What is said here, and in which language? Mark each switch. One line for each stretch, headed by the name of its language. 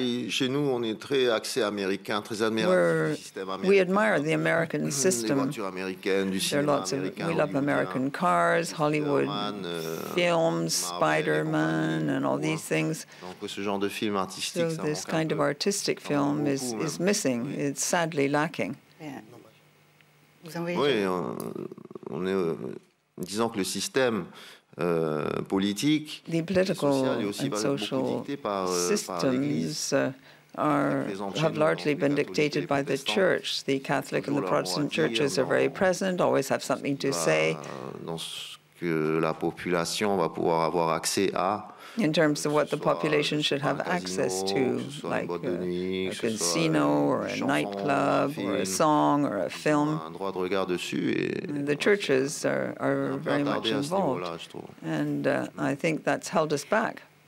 French: Chez nous, on est très axé américain, très américain, système américain.
English: We admire the American system. We love American cars, Hollywood films, Spider-Man, and all these things. So this kind of artistic film is missing. It's sadly lacking.
French: Oui, on est... disons que le système politique,
English: the political and social systems have largely been dictated by the church. The Catholic and the Protestant churches are very present, always have something to say.
French: Dans ce que la population va pouvoir avoir accès à.
English: In terms of what the population should have access to, like a casino or a nightclub or a song or a film, the churches are very much involved, and I think that's held us back.